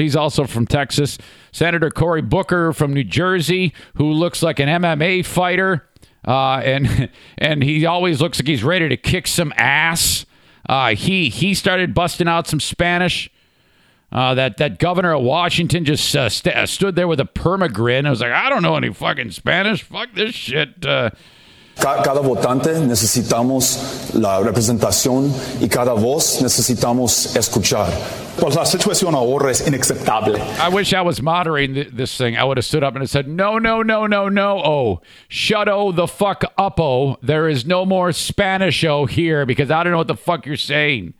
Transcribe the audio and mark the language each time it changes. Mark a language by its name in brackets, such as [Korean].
[English] He's also from Texas. Senator Cory Booker from New Jersey, who looks like an MMA fighter. And he always looks like he's ready to kick some ass. He started busting out some Spanish. That governor of Washington just stood there with a permagrin. I was like, I don't know any fucking Spanish. Fuck this shit. [Spanish] Cada votante necesitamos la representación y cada voz necesitamos escuchar. Pues la situación ahora es inaceptable. [English] I wish I was moderating this thing. I would have stood up and said, no. Oh, shut oh the fuck up. Oh, there is no more Spanish oh here because I don't know what the fuck you're saying.